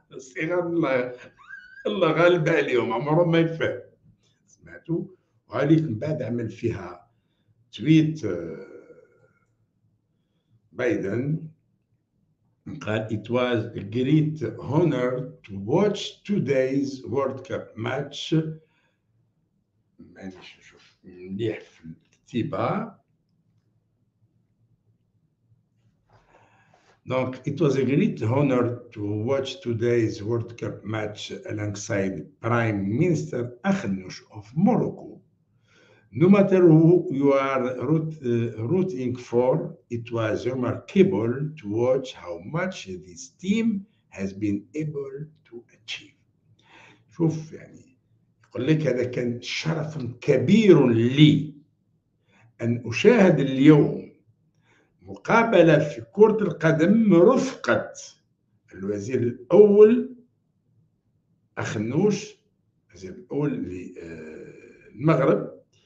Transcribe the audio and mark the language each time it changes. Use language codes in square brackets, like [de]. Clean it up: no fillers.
[ar] الصغار الله غالب عليهم عمرهم ما يفهم، سمعتوا؟ وهذيك من بعد عمل فيها تويت بايدن، قال [en] it was a great honor to watch today's World Cup match. [ar] مانيش نشوف مليح في الكتيبة، [en] Donc, it was a great honor to watch today's World Cup match alongside Prime Minister Akhnouch of Morocco. No matter who you are rooting for, it was remarkable to watch how much this team has been able to achieve. [ar] شوف يعني يقول لك هذا كان شرف كبير لي أن أشاهد اليوم مقابلة في كرة القدم رفقة الوزير الأول أخنوش الوزير الأول للمغرب.